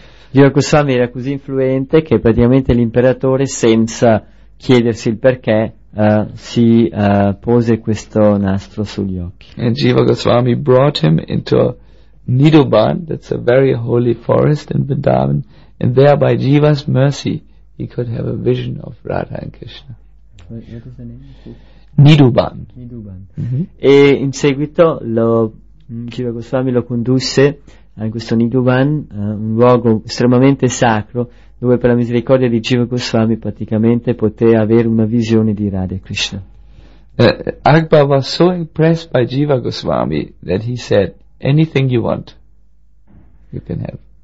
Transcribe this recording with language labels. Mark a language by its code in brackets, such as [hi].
[it] Jiva Goswami era così influente che praticamente l'imperatore, senza chiedersi il perché, si pose questo nastro sugli occhi. [en] And Jiva Goswami brought him into Nidoban, that's a very holy forest in Vrindavan, and there by Jiva's mercy he could have a vision of Radha and Krishna. What is the name? Nidoban. Nidoban. Mm-hmm. [it] E in seguito Jiva Goswami lo condusse a questo Nidoban, un luogo estremamente sacro, dove per la misericordia di Jiva Goswami praticamente poté avere una visione di Radha e Krishna. [en] Akbar was so impressed by Jiva Goswami that he said, "Anything you want, you can have."